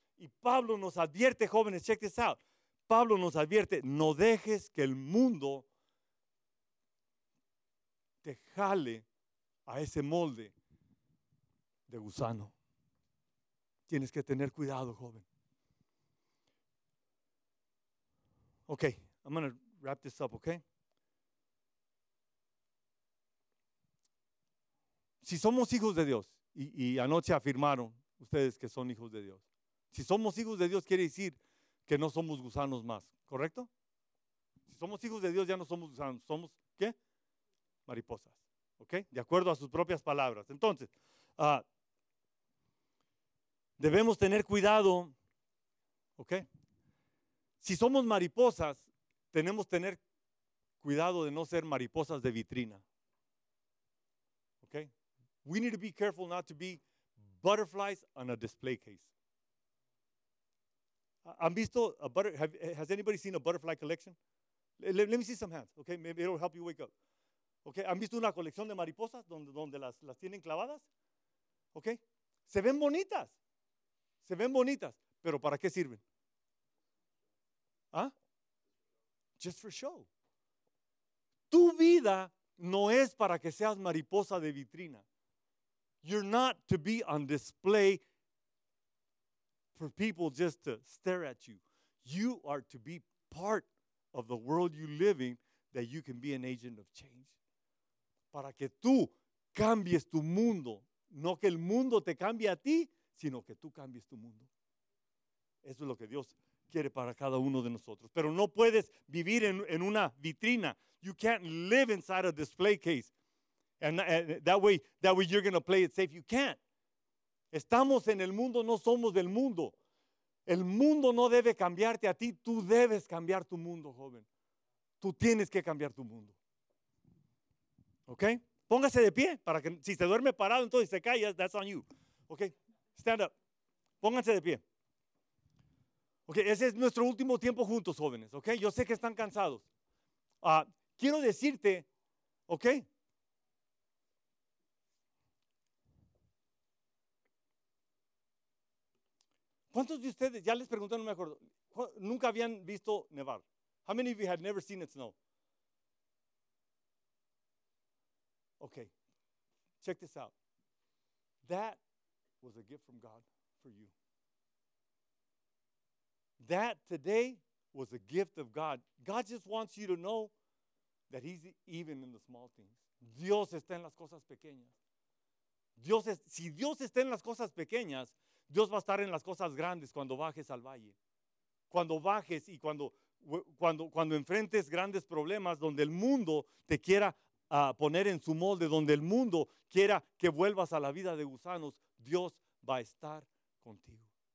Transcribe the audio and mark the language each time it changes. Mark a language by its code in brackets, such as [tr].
[es] Y Pablo nos advierte, jóvenes, [en] check this out. [es] Pablo nos advierte, no dejes que el mundo te jale a ese molde de gusano. Tienes que tener cuidado, joven. [en] Okay, I'm going to wrap this up, okay? [es] Si somos hijos de Dios, y anoche afirmaron ustedes que son hijos de Dios. Si somos hijos de Dios, quiere decir que no somos gusanos más, ¿correcto? Si somos hijos de Dios, ya no somos gusanos. ¿Somos qué? Mariposas, ¿ok? De acuerdo a sus propias palabras. Entonces, debemos tener cuidado, ¿ok? Si somos mariposas, tenemos que tener cuidado de no ser mariposas de vitrina, ¿ok? [en] We need to be careful not to be butterflies on a display case. [es] ¿Han visto a butter? [en] Has anybody seen a butterfly collection? Let me see some hands, okay? Maybe it'll help you wake up. [es] Okay, ¿han visto una colección de mariposas donde las tienen clavadas? Okay, se ven bonitas, pero ¿para qué sirven? ¿Ah? [en] Just for show. [es] Tu vida no es para que seas mariposa de vitrina. [en] You're not to be on display for people just to stare at you. You are to be part of the world you live in, that you can be an agent of change. [es] Para que tú cambies tu mundo. No que el mundo te cambie a ti, sino que tú cambies tu mundo. Eso es lo que Dios quiere para cada uno de nosotros. Pero no puedes vivir en una vitrina. [en] You can't live inside a display case. And that way you're going to play it safe. You can't. [es] Estamos en el mundo, no somos del mundo. El mundo no debe cambiarte a ti. Tú debes cambiar tu mundo, joven. Tú tienes que cambiar tu mundo. ¿Ok? Póngase de pie. Para que, si se duerme parado, entonces se cae. [en] That's on you. [es] ¿Ok? [en] Stand up. [es] Pónganse de pie. ¿Ok? Ese es nuestro último tiempo juntos, jóvenes. ¿Ok? Yo sé que están cansados. Quiero decirte, ¿ok? ¿Cuántos de ustedes, ya les pregunté, no me acuerdo, nunca habían visto nevar? [en] How many of you had never seen it snow? Okay, check this out. That was a gift from God for you. That today was a gift of God. God just wants you to know that he's even in the small things. [es] Dios está en las cosas pequeñas. Si Dios está en las cosas pequeñas, Dios va a estar en las cosas grandes cuando bajes al valle. Cuando bajes y cuando enfrentes grandes problemas donde el mundo te quiera poner en su molde, donde el mundo quiera que vuelvas a la vida de gusanos, Dios va a estar contigo.